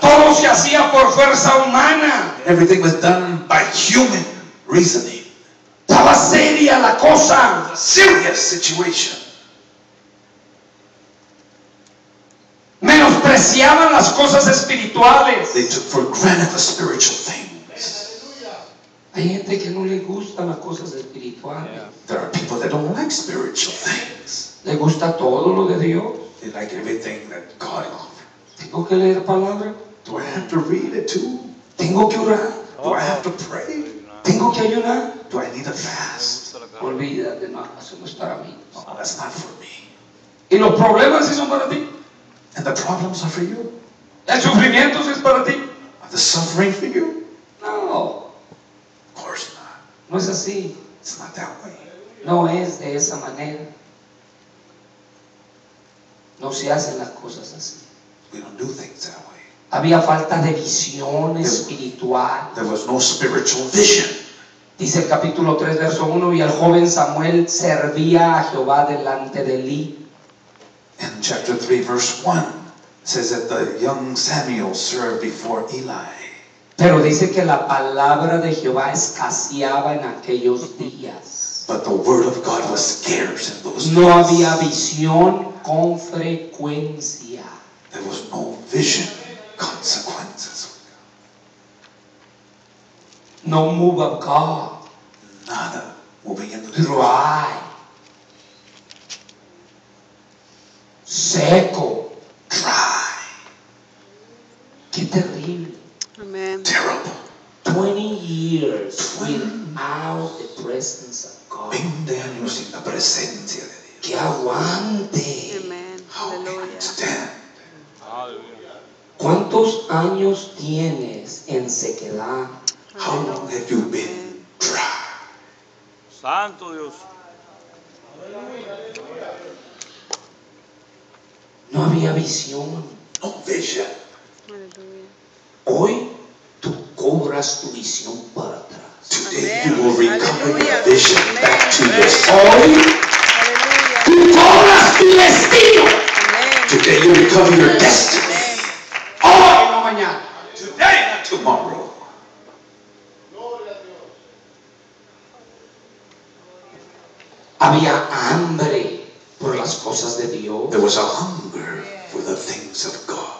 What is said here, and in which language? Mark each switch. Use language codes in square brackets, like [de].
[es] Todo se hacía por fuerza humana. [en] Everything was done by human reasoning. [es] Estaba seria la cosa. [en] A serious situation. [es] Menospreciaban las cosas espirituales. [en] They took for granted the spiritual things. [es] Hay gente que no le gustan las cosas espirituales. [en] Yeah. There are people that don't like spiritual things. [es] Le gusta todo lo de Dios. [en] They like everything that God offers. [es] Tengo que leer palabra. [en] Do I have to read it too? [es] Tengo que orar. [en] Do I have to pray? [es] Tengo que ayunar. [en] Do I need a fast? [es] Olvídate, no, eso no es para mí. [en] No, that's not for me. [es] ¿Y los problemas sí son para ti? [en] And the problems are for you. [es] El sufrimiento es para ti. [en] Are the suffering for you? [es] No. [en] Of course not. [es] No es así. [en] It's not that way. [es] No es de esa manera. No se hacen las cosas así. [en] We don't do things that way. [es] Había falta de visión espiritual. [en] There was no spiritual vision. [es] Dice el capítulo 3, verso 1, y el joven Samuel servía a Jehová delante de Eli. [en] In chapter 3, verse 1, it says that the young Samuel served before Eli. [es] Pero dice que la palabra de Jehová escaseaba en aquellos días. [en] But the word of God was scarce in those days. [es] No había visión con frecuencia. [en] There was no vision consequences. No move of God. [es] Nada [en] moving in the dry. [es] Seco. [en] Dry. [es] Qué terrible. Amen. [en] Terrible. 20 years without the presence of God. [es] 20 años sin la presencia de Dios. Que aguante. Amen. [en] How Aleluya. Can stand. Aleluya. [es] ¿Cuántos años tienes en sequedad? [en] How long have you been dry? [es] Santo Dios. No había visión. [en] No vision. [es] Hoy tú cobras tu visión para atrás. [en] Today you will recover your vision back to you. [es] Hoy tú cobras tu destino. [en] Today you recover your destiny. [es] Hoy no mañana. [en] Today not tomorrow. [es] Había hambre por las cosas de Dios. [en] There was a hunger for the things of God.